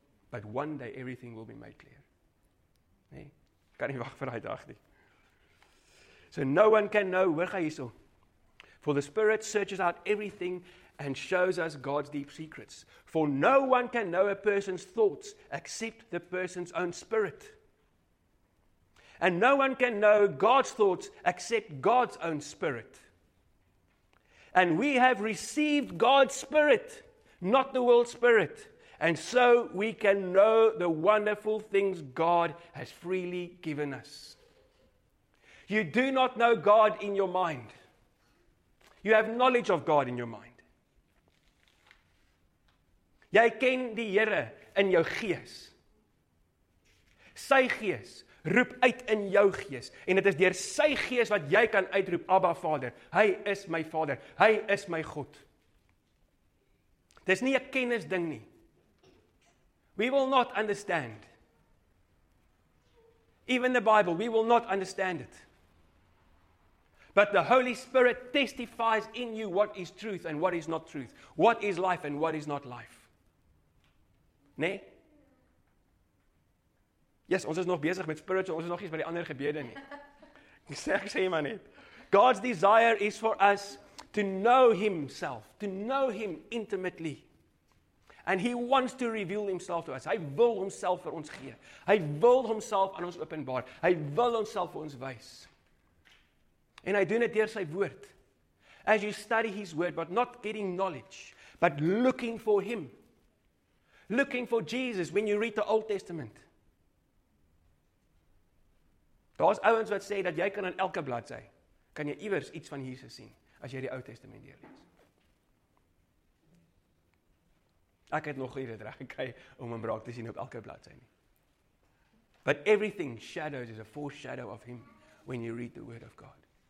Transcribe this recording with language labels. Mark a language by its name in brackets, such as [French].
[English] But one day everything will be made clear. [Afrikaans] Nee, kan nie wag vir daai dag nie. [English] So no one can know, [Afrikaans] hoor gij hierso. [English] For the Spirit searches out everything and shows us God's deep secrets. For no one can know a person's thoughts except the person's own spirit. And no one can know God's thoughts except God's own spirit. And we have received God's spirit, not the world's spirit. And so we can know the wonderful things God has freely given us. You do not know God in your mind. You have knowledge of God in your mind. [Afrikaans] Jy ken die Here in jou gees. Sy gees roep uit in jou gees. En het is deur sy gees wat jy kan uitroep, Abba Vader. Hy is my Vader. Hy is my God. Het is nie 'n kennis ding nie. [English] We will not understand. Even the Bible, we will not understand it. But the Holy Spirit testifies in you what is truth and what is not truth. What is life and what is not life. [Afrikaans] Nee? Yes, ons is nog besig met spirit, so ons is nog nie by die ander gebede nie. Ek sê maar net. [English] God's desire is for us to know himself, to know him intimately. And he wants to reveal himself to us. [Afrikaans] Hy wil homself vir ons gee. Hy wil homself aan ons openbaar. Hy wil homself vir ons wys. En hy doen dit deur sy woord. [English] As you study his word, but not getting knowledge, but looking for him. Looking for Jesus when you read the Old Testament. [Afrikaans] Daar's ouens wat sê dat jy kan aan elke bladsy kan jy iewers iets van Jesus sien as jy die Ou Testament deurlees. Ek het nog hier dit reg gekry om 'n braak te sien op elke bladsy nie. [English] But everything shadows is a foreshadow of him when you read the word of God.